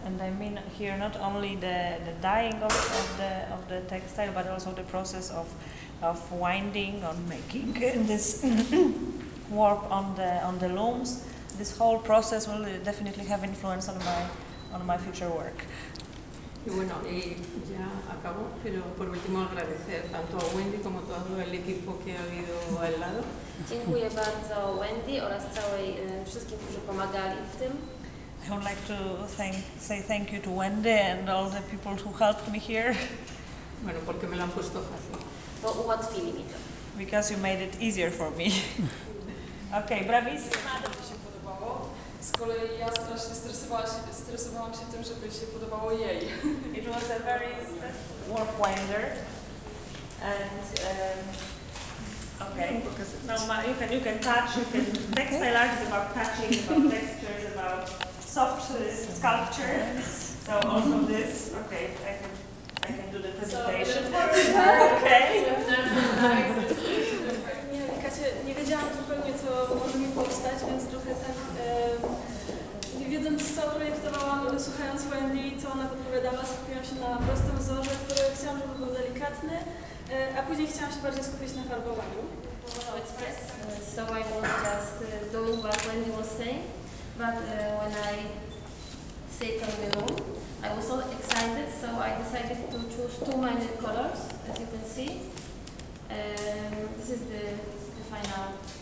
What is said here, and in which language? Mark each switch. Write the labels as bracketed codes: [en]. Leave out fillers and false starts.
[en] And I mean here not only the dyeing of the textile, but also the process of winding, on making this warp on the looms. This whole process will definitely have influence on my future work. [es] Y bueno, y ya acabo, pero por último agradecer tanto a Wendy como a todo el equipo que ha habido al lado. [pl] Dziękuję bardzo Wendy oraz całej wszystkim, którzy pomagali w tym. [en] I would like to say thank you to Wendy and all the people who helped me here. [es] Bueno, porque me lo han puesto fácil. [pl] Bo ułatwili mi to. [en] Because you made it easier for me. Okay, bravissima. [pl] Z kolei ja strasznie stresowałam się tym, żeby się podobało jej. [en] It was a very stressful warp winder. And you can touch, textile art is about touching, about textures, about soft sculpture. So also this. Okay, I can do the presentation. So, okay. [pl] Nie wiedziałam zupełnie, co może mi powstać, więc trochę tak, nie wiedząc, co projektowałam, ale słuchając Wendy, co ona podpowiadała, skupiłam się na prostym wzorze, który chciałam, żeby był delikatny, a później chciałam się bardziej skupić na farbowaniu. [en] So I was just doing what Wendy was saying, but when I sit on the room, I was so excited, so I decided to choose two minor colors, as you can see. This is the final.